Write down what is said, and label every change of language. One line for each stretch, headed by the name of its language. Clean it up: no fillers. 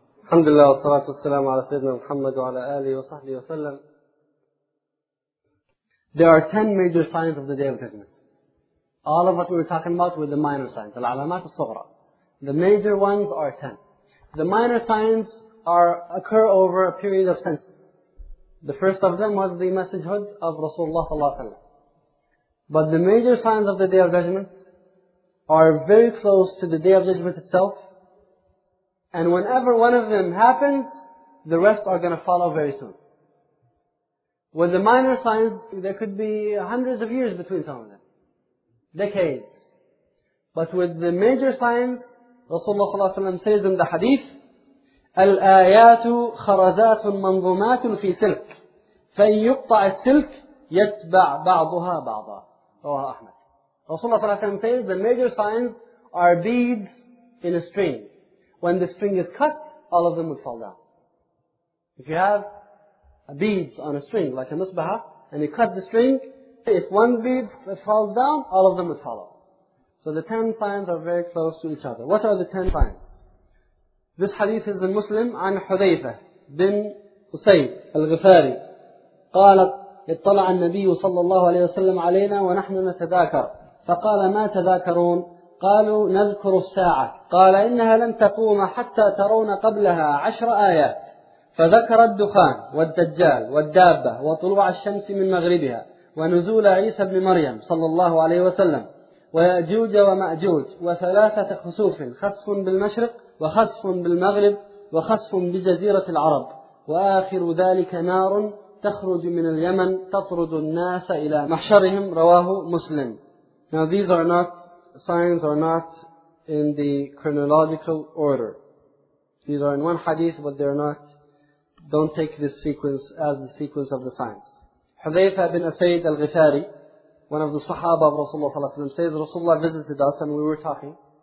Arabic: الحمد لله والصلاة والسلام على سيدنا محمد وعلى آله وصحبه وسلم.
English: There are 10 major signs of the Day of Judgment. All of what we were talking about were the minor signs,
Arabic: العلامات الصغرى.
English: The major ones are 10. The minor signs occur over a period of centuries. The first of them was the messengerhood of Rasulullah sallallahu alaihi wasallam. But the major signs of the Day of Judgment are very close to the Day of Judgment itself. And whenever one of them happens, the rest are going to follow very soon. With the minor signs, there could be hundreds of years between some of them. Decades. But with the major signs, Rasulullah ﷺ says in the hadith,
Arabic: الْآيَاتُ خَرَزَاتٌ مَنْظُمَاتٌ فِي سِلْكٍ فَإِنْ يُقْطَعَ السِّلْكِ يَتْبَعْ بَعْضُهَا بَعْضًا رواه أحمد.
English: Rasulullah ﷺ says, the major signs are beads in a string. When the string is cut, all of them would fall down. If you have beads on a string, like a musbaha, and you cut the string, if one bead falls down, all of them would follow. So the 10 signs are very close to each other. What are the 10 signs? This hadith is in Muslim, عن حذيفة بن قسيب الغفاري.
Arabic: قال اطلع النبي صلى الله عليه وسلم علينا ونحن نتذاكر. فقال ما تذاكرون؟ قالوا نذكر الساعة. قال إنها لن تقوم حتى ترون قبلها 10 آيات. فذكر الدخان والدجال والدابة وطلوع الشمس من مغربها ونزول عيسى بن مريم صلى الله عليه وسلم ويأجوج ومأجوج وثلاثة خسوف، خسف بالمشرق وخسف بالمغرب وخسف بجزيرة العرب، وآخر ذلك نار تخرج من اليمن تطرد الناس إلى محشرهم. رواه مسلم.
English: Now these are not signs are not in the chronological order. These are in one hadith, but they're not. Don't take this sequence as the sequence of the signs. Hudhayfa bin Asayd al-Ghifari, one of the Sahaba of Rasulullah ﷺ, says Rasulullah visited us and we were talking.